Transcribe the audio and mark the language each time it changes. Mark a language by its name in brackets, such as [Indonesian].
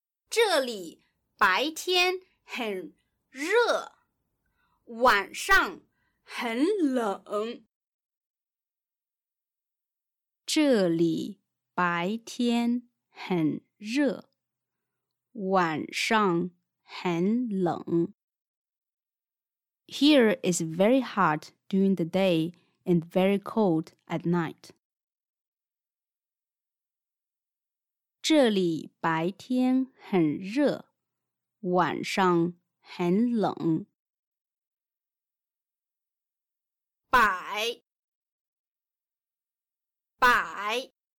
[Chinese] 这里白天很热，晚上很冷。这里白天很热，晚上很冷。 [English] Here is very hot during the day and very cold at night. [Chinese] 这里白天很热，晚上很冷。百百